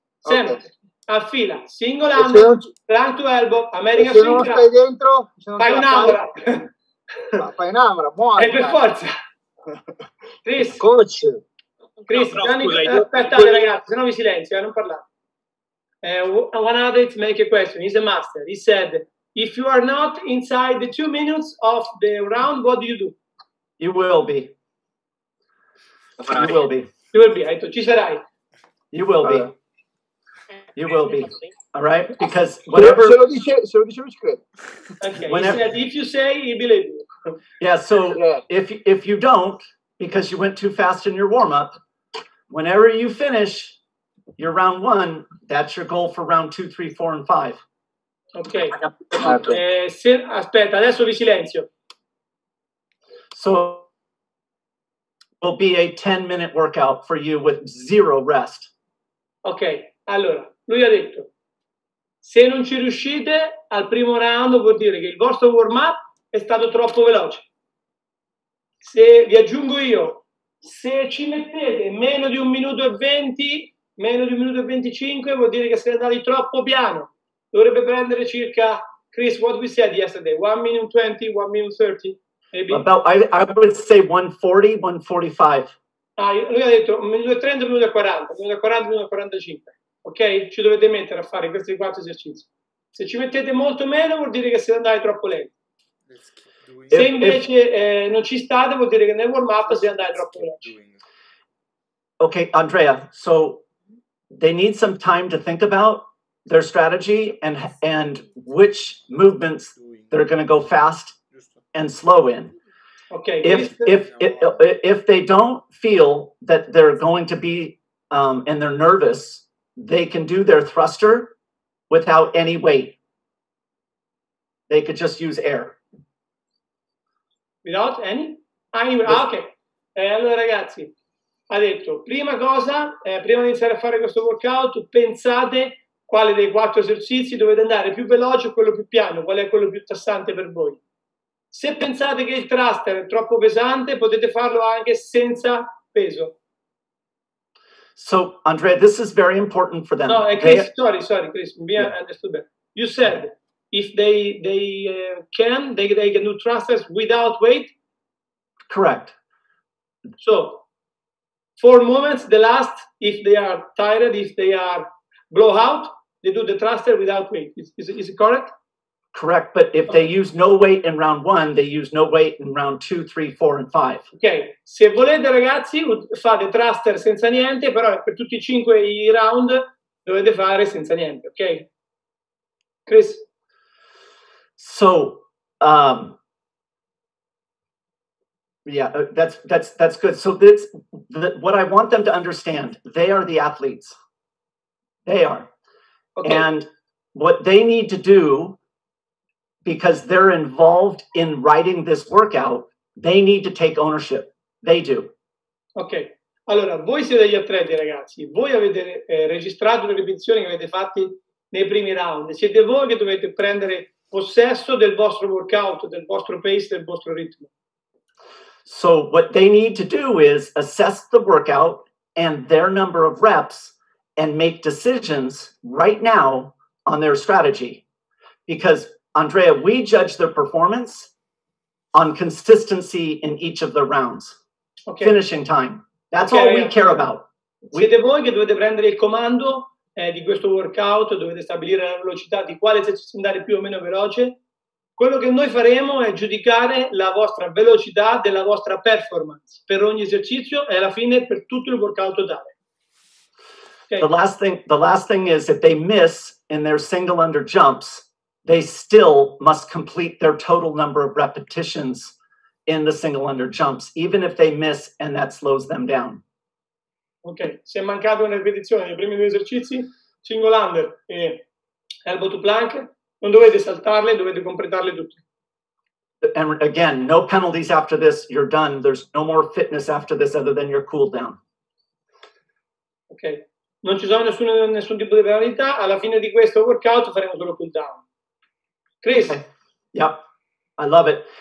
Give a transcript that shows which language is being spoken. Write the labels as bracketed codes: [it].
[it] Sempre. Okay. A fila, single under, plank to elbow, American swing. Se non stai dentro, fai un'amora. Fai un'amora, muori. E per forza. Chris. Coach. Chris, no, Gianni, scusa, aspettate ragazzi, se no vi silenzio, non parlare. [en] One other to make a question, he's a master, he said... If you are not inside the 2 minutes of the round, what do you do? You will be. You will be. You will be. [it] Ci sarai. [en] You will be. You will be. All right? Because whatever... [it] Se lo dice, okay. [en] Whenever, he said, if you say, he believes you. Yeah, so yeah. If you don't, because you went too fast in your warm-up, whenever you finish your round one, that's your goal for round two, three, four, and five. [it] Ok, se, aspetta, adesso vi silenzio. [en] So, it will be a 10-minute workout for you with zero rest. [it] Ok, allora, lui ha detto, se non ci riuscite al primo round vuol dire che il vostro warm-up è stato troppo veloce. Se vi aggiungo io, se ci mettete meno di un minuto e 20, meno di un minuto e 25, vuol dire che siete andati troppo piano. Dovrebbe prendere circa, [en] Chris, what we said yesterday, 1 minute 20, 1 minute 30, maybe. About, I would say 140, 145. [it] Ah, lui ha detto 1 minuto 30, 1 minuto 40, 1 minuto 40, 1 minuto 45. Ok? Ci dovete mettere a fare questi 4 esercizi. Se ci mettete molto meno, vuol dire che siete andati troppo lenti. Se invece non ci state, vuol dire che nel warm-up siete andati troppo lenti. [en] Ok, Andrea, so they need some time to think about their strategy and which movements they're going to go fast and slow in. Okay. If they don't feel that they're going to be and they're nervous, they can do their thruster without any weight. They could just use air. Without any? Okay. [it] Allora ragazzi, ha detto prima cosa, prima di iniziare a fare questo workout, pensate quale dei quattro esercizi dovete andare più veloce o quello più piano, qual è quello più tassante per voi. Se pensate che il thruster è troppo pesante, potete farlo anche senza peso. [en] So, Andrea, this is very important for them. [it] No, Chris, Chris, mi ha detto bene. [en] You said, if they can do thrusters without weight? Correct. So, four movements, the last, if they are tired, if they are blowout, they do the thruster without weight. Is it correct? Correct, but if they use no weight in round one, they use no weight in round two, three, four, and five. Okay. [it] Se volete, ragazzi, fate thruster senza niente, però per tutti i cinque i round dovete fare senza niente, okay? [en] Chris? So, that's good. So, what I want them to understand, they are the athletes. They are. Okay. And what they need to do, because they're involved in writing this workout, they need to take ownership. They do. [it] Ok. Allora, voi siete gli atleti, ragazzi. Voi avete registrato le ripetizioni che avete fatti nei primi round. Siete voi che dovete prendere possesso del vostro workout, del vostro pace, del vostro ritmo. [en] So what they need to do is assess the workout and their number of reps and make decisions right now on their strategy. Because, Andrea, we judge their performance on consistency in each of the rounds. Okay. Finishing time. That's okay, all we care about. [it] Siete voi che dovete prendere il comando di questo workout, dovete stabilire la velocità di quale esercizio andare più o meno veloce. Quello che noi faremo è giudicare la vostra velocità della vostra performance per ogni esercizio e alla fine per tutto il workout totale. Okay. [en] The last thing is if they miss in their single under jumps, they still must complete their total number of repetitions in the single under jumps, even if they miss and that slows them down. [it] Ok, se è mancato una ripetizione nei primi due esercizi, single under e elbow to plank, non dovete saltarle, dovete completarle tutte. [en] And again, no penalties after this, you're done. There's no more fitness after this other than your cool down. [it] Ok. Non ci sono nessun tipo di penalità. Alla fine di questo workout faremo solo cool down. Chris? Okay. [en] Yep, I love it.